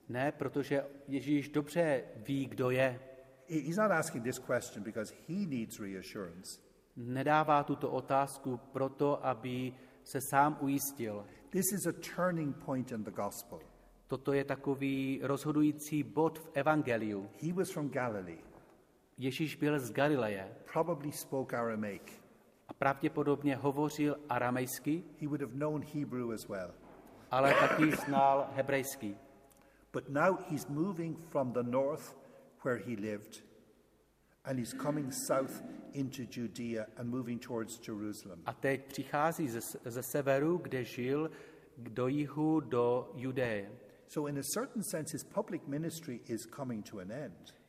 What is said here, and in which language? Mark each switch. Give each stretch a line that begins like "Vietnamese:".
Czech: Ne, protože Ježíš dobře ví, kdo je.
English: He's not asking this question because he needs reassurance.
Czech: Nedává tuto otázku proto, aby se sám ujistil.
English: This is a turning point in the gospel.
Czech: Toto je takový rozhodující bod v evangeliu.
English: He was from Galilee.
Czech: Ježíš byl z Galileje.
English: Probably spoke Aramaic.
Czech: A pravděpodobně hovořil aramejsky.
English: He would have known Hebrew as well.
Czech: Ale taky znal hebrejsky.
English: But now he's moving from the north where he lived and he's coming south into Judea and moving towards Jerusalem.
Czech: A teď přichází ze severu, kde žil, do jihu, do Judeje.
English: So in a certain sense his public ministry is coming to an end.